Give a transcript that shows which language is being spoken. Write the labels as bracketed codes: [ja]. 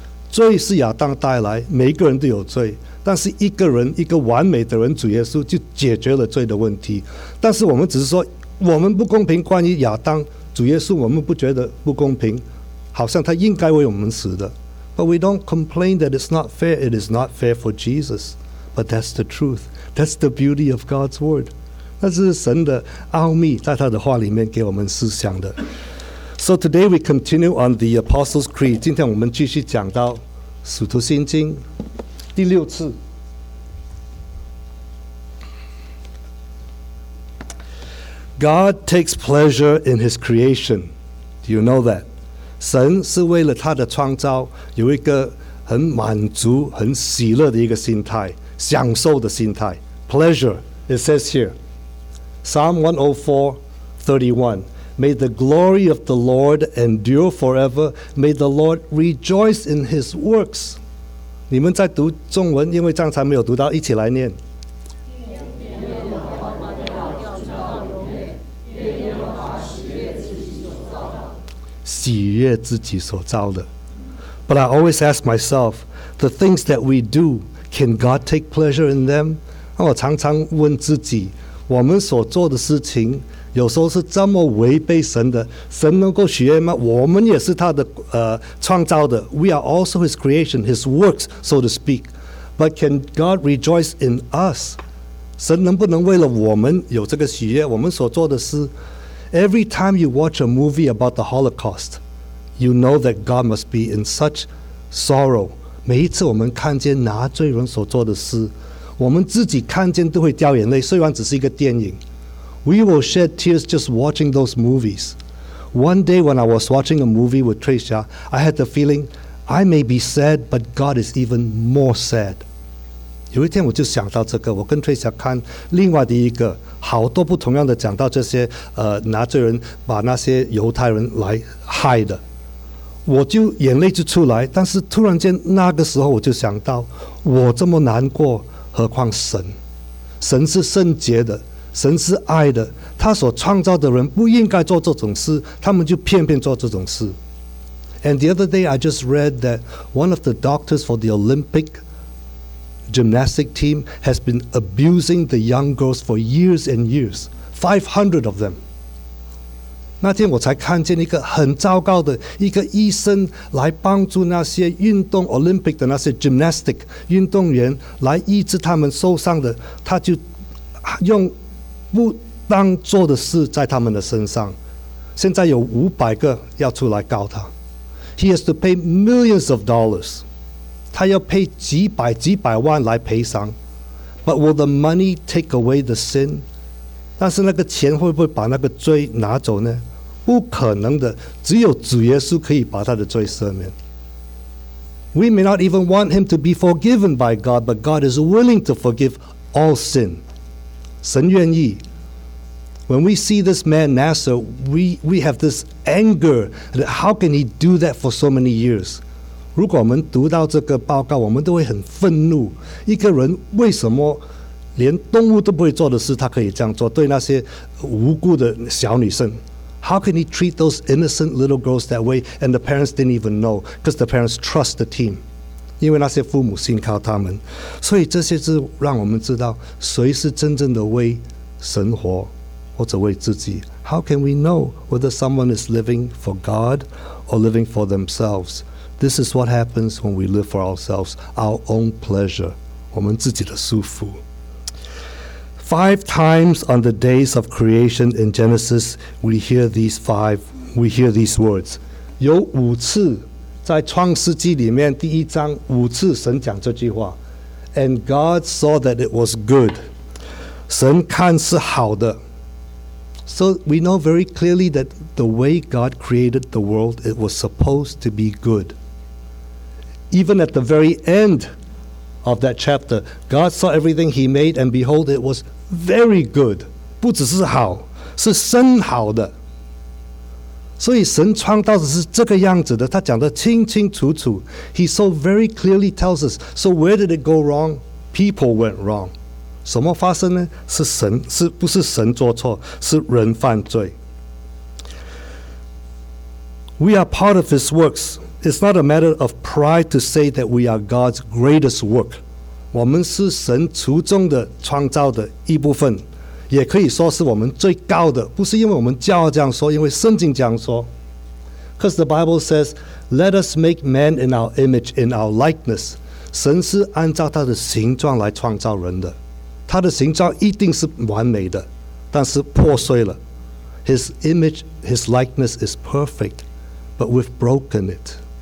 [zh] 罪是亚当带来，每个人都有罪，但是一个人，一个完美的人，主耶稣就解决了罪的问题。但是我们只是说，我们不公平，关于亚当，主耶稣我们不觉得不公平，好像他应该为我们死的。 [en] But we don't complain that it's not fair, it is not fair for Jesus. But that's the truth. That's the beauty of God's word. [zh] 那是神的奥秘，在他的话里面给我们思想的。 [en] So today we continue on the Apostles' Creed. [zh] 今天我们继续讲到《使徒信经》第六次。 [en] God takes pleasure in His creation. Do you know that? [zh] 神是为了他的创造有一个很满足、很喜乐的一个心态，享受的心态。 [en] Pleasure. It says here, Psalm 104:31. May the glory of the Lord endure forever. May the Lord rejoice in His works. [zh] 你们在读中文，因为刚才没有读到，一起来念。喜悦自己所造的。 [en] But I always ask myself, the things that we do, can God take pleasure in them? [zh] 我常常问自己，我们所做的事情有时候是这么违背神的，神能够喜悦吗？我们也是他的创造的。 [en] We are also His creation, His works, so to speak. But can God rejoice in us? [zh] 神能不能为了我们有这个喜悦？我们所做的事。 [en] Every time you watch a movie about the Holocaust, you know that God must be in such sorrow. [zh] 每一次我们看见纳粹人所做的事，我们自己看见都会掉眼泪，虽然只是一个电影。 [en] We will shed tears just watching those movies. One day when I was watching a movie with Tracia, I had the feeling, I may be sad, but God is even more sad. [zh] 有一天我就想到这个，我跟 Tracia 看另外的一个，好多不同样的讲到这些纳粹人把那些犹太人来害的。我就眼泪就出来，但是突然间那个时候我就想到，我这么难过，何况神？神是圣洁的。神是爱的，他所创造的人不应该做这种事，他们就偏偏做这种事。 [en] And the other day I just read that one of the doctors for the Olympic gymnastic team has been abusing the young girls for years and years, 500 of them. [zh] 那天我才看见一个很糟糕的一个医生来帮助那些运动 Olympic 的那些 gymnastic 运动员来医治他们受伤的，他就用不当做的事在他们的身上，现在有500个要出来告他。 [en] He has to pay millions of dollars. [zh] 他要赔几百万来赔偿。 [en] But will the money take away the sin? [zh] 但是那个钱会不会把那个罪拿走呢？不可能的，只有主耶稣可以把他的罪赦免。 [en] We may not even want him to be forgiven by God, but God is willing to forgive all sin. [zh] 神愿意。 [en] When we see this man Nasser, we have this anger that how can he do that for so many years? [zh] 如果我们读到这个报告，我们都会很愤怒。一个人为什么连动物都不会做的事，他可以这样做？对那些无辜的小女生 [en] ，How can he treat those innocent little girls that way? And the parents didn't even know, because the parents trust the team. [zh] 因为那些父母信靠他们，所以这些是让我们知道谁是真正的为神活，或者为自己。 [en] How can we know whether someone is living for God or living for themselves? This is what happens when we live for ourselves, our own pleasure, [zh] 我们自己的舒服。 [en] Five times on the days of creation in Genesis, we hear these words. [zh] 有五次。在创世纪里面第一章五次神讲这句话 [en] And God saw that it was good [zh] 神看是好的 [en] So we know very clearly that the way God created the world it was supposed to be good Even at the very end of that chapter God saw everything he made and behold it was very good [zh] 不只是好是甚好的所以神创造的是这个样子的，他讲得清清楚楚。 [en] He so very clearly tells us. So where did it go wrong? People went wrong. [zh] 什么发生呢？是神，是不是神做错？是人犯罪。 [en] We are part of His works. It's not a matter of pride to say that we are God's greatest work. [zh] 我们是神族中的创造的一部分。也可以说是我们最高的，不是因为我们骄傲这样说，因为圣经这样说。 [en] Because the Bible says, let us make man in our image, in our likeness. [zh] 神是按照他的形状来创造人的。他的形状一定是完美的，但是破碎了。His [en] image, his likeness is perfect, but we've broken it.